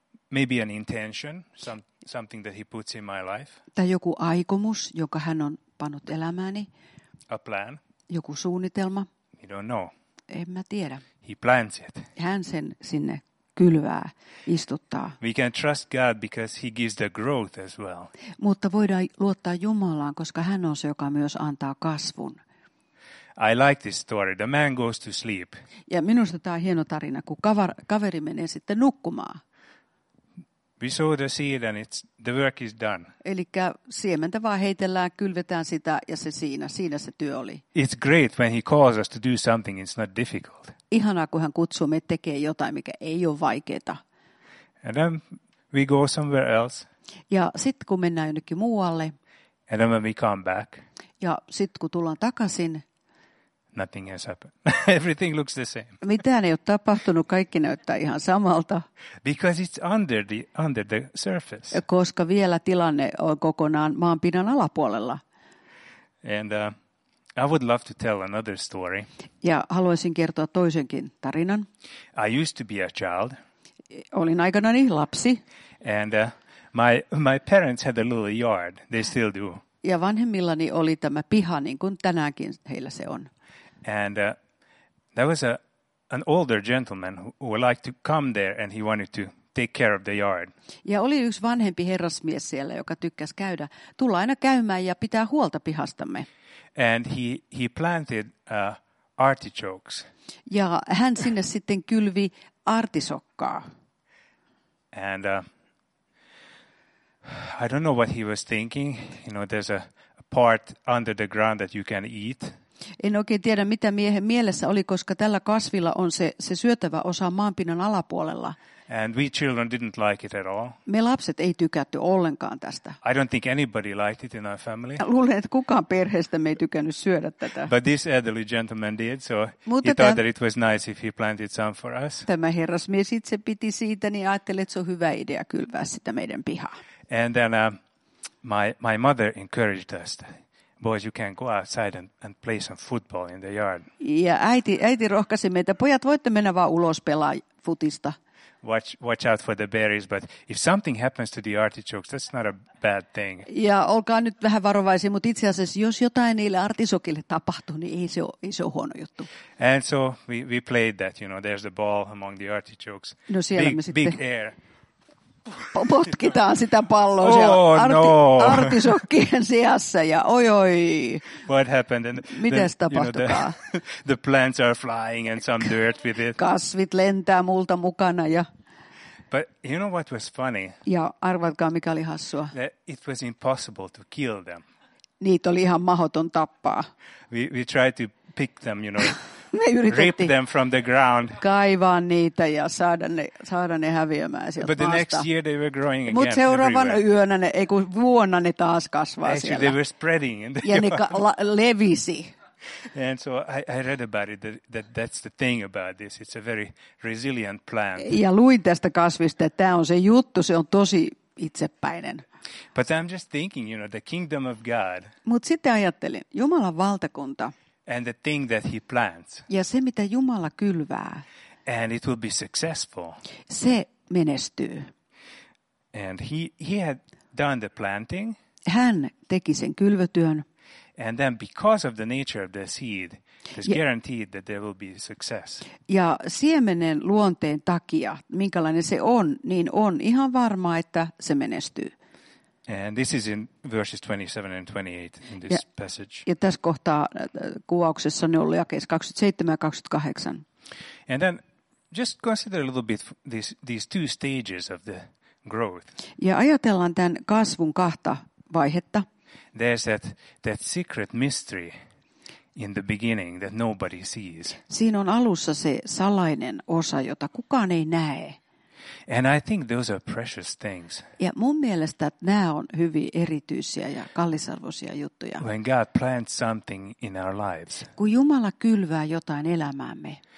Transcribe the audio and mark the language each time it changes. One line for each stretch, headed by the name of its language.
English: Maybe an intention, something that he puts in my life.
Finnish: Tai joku aikomus, jonka hän on pannut elämääni.
English: A plan.
Finnish: Joku suunnitelma.
English: We don't know.
Finnish: En mä tiedä.
English: He plans it.
Finnish: Hän sen sinne kylvää, istuttaa.
English: We can trust God because he gives the growth as well.
Finnish: Mutta voidaan luottaa Jumalaan, koska hän on se, joka myös antaa kasvun.
English: I like this story. The man goes to sleep.
Finnish: Ja minusta tämä on hieno tarina, kun kaveri menee sitten nukkumaan.
English: We sow the seed and it's, the work is done.
Finnish: Elikkä siementä vaan heitellään, kylvetään sitä ja se siinä se työ oli.
English: It's great when he calls us to do something, it's not difficult.
Finnish: Ihanaa, kun hän kutsuu meitä tekemään jotain, mikä ei ole vaikeaa.
English: And then we go somewhere else.
Finnish: Ja sitten kun mennään jonnekin muualle.
English: And then when we come back.
Finnish: Ja sitten kun tullaan takaisin.
English: Nothing has happened. Everything looks the same.
Finnish: Mitään ei ole tapahtunut, kaikki näyttää ihan samalta.
English: Because it's under the surface.
Finnish: Koska vielä tilanne on kokonaan maanpinnan alapuolella.
English: And I would love to tell another story.
Finnish: Ja haluaisin kertoa toisenkin tarinan.
English: I used to be a child.
Finnish: Olin aikanani lapsi.
English: And my parents had a little yard. They still do.
Finnish: Ja vanhemmillani oli tämä piha, niin kuin tänäänkin heillä se on.
English: And there was an older gentleman who liked to come there and he wanted to take care of the yard.
Finnish: Ja oli yksi vanhempi herrasmies siellä, joka tykkäsi käydä. Tulla aina käymään ja pitää huolta pihastamme.
English: And he planted artichokes.
Finnish: Ja hän sinne sitten kylvi artisokkaa.
English: And I don't know what he was thinking. You know, there's a part under the ground that you can eat.
Finnish: En oikein tiedä, mitä miehen mielessä oli, koska tällä kasvilla on se syötävä osa maanpinnan alapuolella.
English: And we children didn't like it at all.
Finnish: Me lapset ei tykätty ollenkaan tästä.
English: I don't think anybody liked it in our family.
Finnish: Luulen, että kukaan perheestä me ei tykännyt syödä tätä.
English: But this elderly gentleman did, so he thought that it was nice if he planted some for us.
Finnish: Tämä herrasmies itse piti siitä, niin ajattelin, että se on hyvä idea kylvää sitä meidän pihaan.
English: And then my mother encouraged us. Boys, you can go outside and play some football in the yard.
Finnish: Ja äiti rohkaisi meitä, pojat voitte mennä vaan ulos pelaa futista.
English: Watch out for the berries, but if something happens to the artichokes, that's not a bad thing.
Finnish: Ja olkaa nyt vähän varovaisia, mutta itse asiassa jos jotain niille artisokille tapahtuu, niin ei se ole huono juttu.
English: And so we played that, you know, there's the ball among the artichokes.
Finnish: No siellä me sitten.
English: Big air.
Finnish: Potkitaan sitä palloa artisokkien sijassa ja oi.
English: What happened? And
Finnish: mitäs tapahtukaa?
English: You know, the plants are flying and some dirt with it.
Finnish: Kasvit lentää multa mukana ja.
English: But you know what was funny?
Finnish: Ja arvatkaa mikä oli hassua.
English: That it was impossible to kill them.
Finnish: Niitä oli ihan mahdoton tappaa.
English: We tried to pick them, you know.
Finnish: Me yritettiin
English: rip them from the ground.
Finnish: Kaivaa niitä ja saada ne häviämään sieltä.
English: But the next year they were growing again.
Finnish: Mut seuraavan yönä ne, ei kun vuonna ne taas kasvaa.
English: Actually,
Finnish: siellä.
English: They were spreading in the
Finnish: ja ne levisi.
English: And so I read about it that's the thing about this. It's a very resilient plant.
Finnish: Ja luin tästä kasvista, että tämä on se juttu, se on tosi itsepäinen.
English: But I'm just thinking, you know, the kingdom of God.
Finnish: Mut sitten ajattelin Jumalan valtakunta.
English: And the thing that he plants.
Finnish: Ja se, mitä Jumala kylvää.
English: And it will be successful.
Finnish: Se menestyy.
English: And he had done the planting.
Finnish: Hän teki sen kylvötyön.
English: And then because of the nature of the seed, it's guaranteed that there will be success.
Finnish: Ja siemenen luonteen takia, minkälainen se on, niin on ihan varmaa, että se menestyy.
English: And this is in verses 27 and 28 in this passage.
Finnish: Ja tässä kohtaa kuvauksessa ne on jakeet 27 ja 28.
English: And then just consider a little bit these two stages of the growth.
Finnish: Ja ajatellaan tämän kasvun kahta vaihetta.
English: There's that secret mystery in the beginning that nobody sees.
Finnish: Siinä on alussa se salainen osa, jota kukaan ei näe.
English: And I think those are precious things.
Finnish: Ja mun mielestä nämä on hyvin erityisiä ja kallisarvoisia juttuja.
English: When God plants something in our lives.
Finnish: Kun Jumala kylvää jotain elämäämme.